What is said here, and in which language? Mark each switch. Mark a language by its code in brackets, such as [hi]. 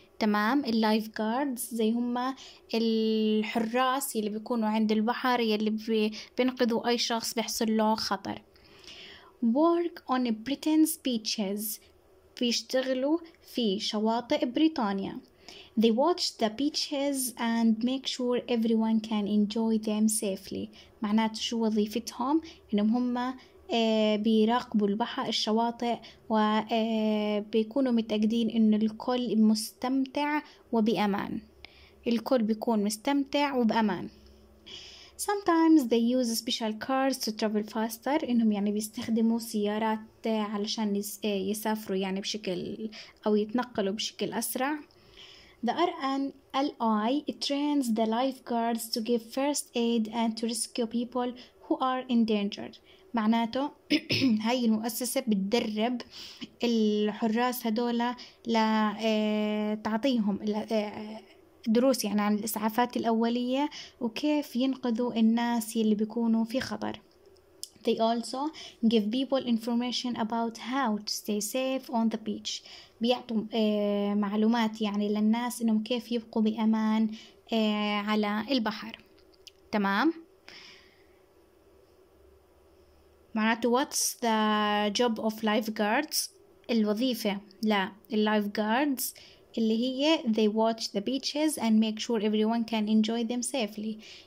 [ar] تمام اللايف جاردز زي هم الحراس يلي بيكونوا عند البحر يلي بينقذوا اي شخص بيحصل له خطر. [en] Work on Britain's beaches [ar] بيشتغلوا في شواطئ بريطانيا. [en] They watch the beaches and make sure everyone can enjoy them safely. [ar] معناته شو وظيفتهم؟ انهم هم بيراقبوا البحر الشواطئ وبيكونوا متأكدين إنه الكل مستمتع وبأمان. الكل بيكون مستمتع وبأمان. [en] Sometimes they use special cars to travel faster. [ar] إنهم يعني بيستخدموا سيارات علشان يسافروا يعني بشكل أو يتنقلوا بشكل أسرع. [en] The RNLI trains the lifeguards to give first aid and to rescue people who are in danger. [ar] معناته هاي المؤسسة بتدرب الحراس هدول لتعطيهم دروس يعني عن الإسعافات الأولية وكيف ينقذوا الناس اللي بيكونوا في خطر. [en] They also give people information about how to stay safe on the beach. [ar] بيعطوا معلومات يعني للناس إنهم كيف يبقوا بأمان على البحر. تمام؟ معناته [en] what's the job of lifeguards؟ [ar] الوظيفة لا [en] lifeguards [ar] اللي هي [en] they watch the beaches and make sure everyone can enjoy them safely.